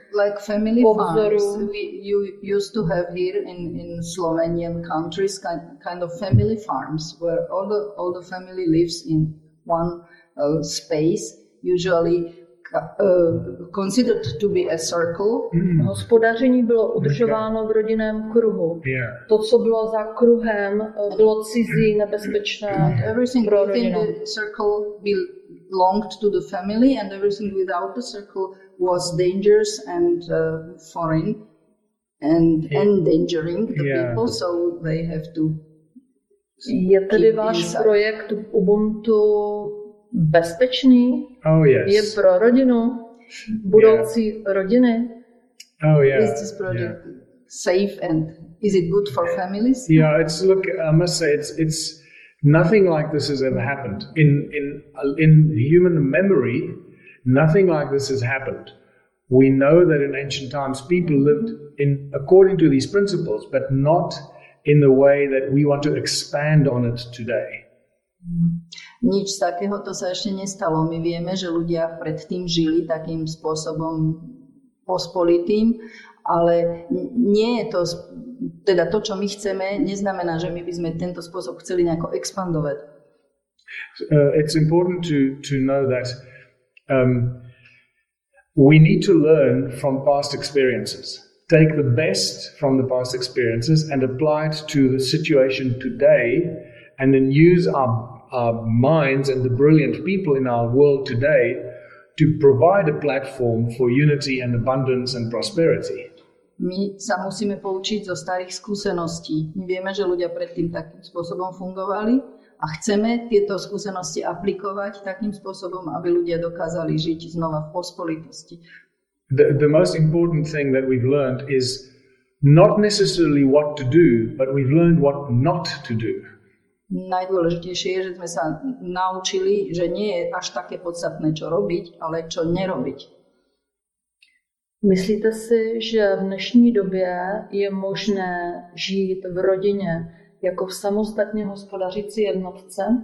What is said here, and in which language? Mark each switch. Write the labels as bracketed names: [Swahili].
[English] Like family farms you used to have here in Slovenian countries, kind of family farms, where all the family lives in one space, usually considered to be a circle. Mm. [Czech] Hospodaření bylo udržováno v rodinném kruhu. [English] Yeah. [Czech] To, co bylo za kruhem, bylo cizí, nebezpečné [English] everything [Czech] pro rodinu. [English] Within the circle belonged to the family and everything without the circle was dangerous and foreign and endangering the people, so they have to [Czech] Je tedy váš projekt Ubuntu bezpečný? [English] Oh, yes. [Czech] Je pro rodinu, budoucí rodiny? [English] Oh, yeah. Is this project safe and is it good for families? Yeah, it's look, I must say, it's nothing like this has ever happened in human memory. Nothing like this has happened. We know that in ancient times people lived in according to these principles, but not in the way that we want to expand on it today. [Slovak] Nič takého to sa ešte nestalo. My vieme, že ľudia predtým žili takým spôsobom pospolitým, ale nie je to teda to, čo my chceme, neznamená, že my by sme tento spôsob chceli nejako expandovať. [English] It's important to know that we need to learn from past experiences. Take the best from the past experiences and apply it to the situation today and then use our minds and the brilliant people in our world today to provide a platform for unity and abundance and prosperity. [Slovak] My sa musíme poučiť zo starých skúseností. My vieme, že ľudia predtým takým spôsobom fungovali a chceme tieto skúsenosti aplikovať takým spôsobom, aby ľudia dokázali žiť znova v pospolitosti. [English] The most important thing that we've learned is not necessarily what to do, but we've learned what not to do. [Slovak] Najdôležitejšie je, že sme sa naučili, že nie je až také podstatné, čo robiť, ale čo nerobiť. [Czech] Myslíte si, že v dnešní době je možné žít v rodině jako v samostatně hospodařící jednotce?